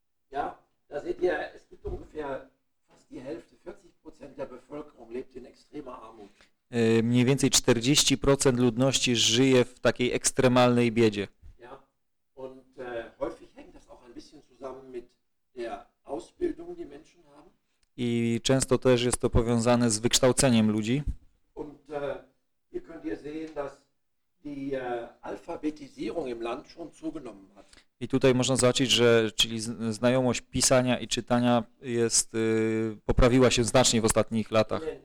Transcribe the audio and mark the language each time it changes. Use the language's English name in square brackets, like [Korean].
[German] Ja, da seht ihr, es gibt ungefähr fast die Hälfte, 40% der Bevölkerung lebt in extremer Armut. [Polish] Mniej więcej 40% ludności żyje w takiej ekstremalnej biedzie. [German] Ja, und häufig hängt das auch ein bisschen zusammen mit der Ausbildung, die Menschen haben. [Polish] I często też jest to powiązane z wykształceniem ludzi. [German] Und hier könnt ihr sehen, dass die Alphabetisierung im Land schon zugenommen hat. [Polish] I tutaj można zobaczyć, że czyli znajomość pisania i czytania jest poprawiła się znacznie w ostatnich latach.